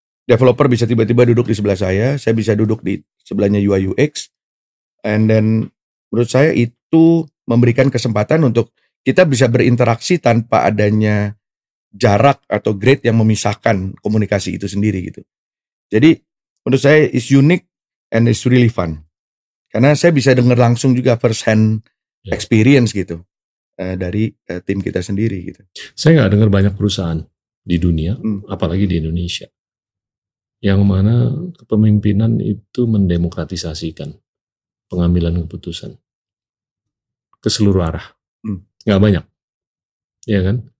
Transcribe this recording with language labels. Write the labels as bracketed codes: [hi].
[id] developer bisa tiba-tiba duduk di sebelah saya bisa duduk di sebelahnya UI UX, [en] and then [id] menurut saya itu memberikan kesempatan untuk kita bisa berinteraksi tanpa adanya jarak atau grade yang memisahkan komunikasi itu sendiri gitu. Jadi menurut saya [en] it's unique and it's really fun. [id] Karena saya bisa dengar langsung juga [en] first hand experience [id] gitu dari tim kita sendiri gitu. Saya gak dengar banyak perusahaan di dunia, apalagi di Indonesia, yang mana kepemimpinan itu mendemokratisasikan pengambilan keputusan ke seluruh arah. Gak banyak. Iya kan?